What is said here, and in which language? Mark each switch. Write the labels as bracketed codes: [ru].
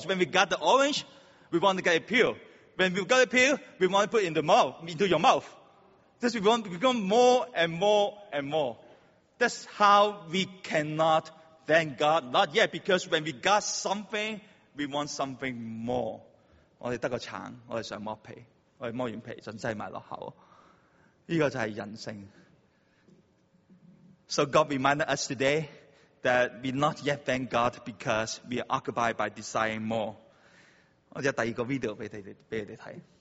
[en] When we got the orange, we want to get a peel. When we got a peel, we want to put it into your mouth. That's we want more and more and more. That's how we cannot thank God. Not yet, because when we got something, we want something more. [yue] 我哋得個橙，我哋想剝皮。我哋剝完皮想擠埋落口。呢個就係人性。 [en] So God reminded us today that we not yet thank God because we are occupied by desiring more. [yue] 我有第二个 video 俾你哋睇。